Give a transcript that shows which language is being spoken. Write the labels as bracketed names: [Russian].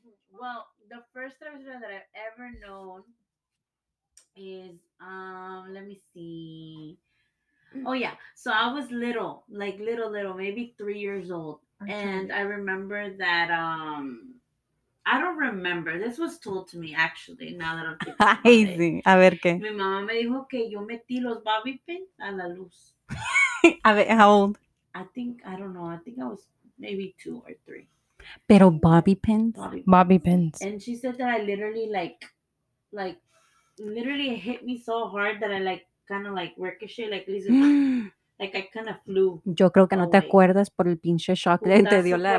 [English] Well, the first time that I've ever known is, let me see. Oh yeah, so I was little, like little, maybe 3 years old, and I remember that I don't remember. This was told to me actually. Now that I'm thinking, [Spanish] a ver qué. Mi mamá me dijo que yo metí los bobby pins a la luz. A ver, [English] how old? I think I was maybe 2 or 3. [Spanish] Pero bobby pins. [English] Bobby pins. And she said that I literally literally hit me so hard that I like. Kind of like ricochet, like Like, I kind of flew. [Spanish] Yo creo que no te acuerdas por el pinche shock que te dio la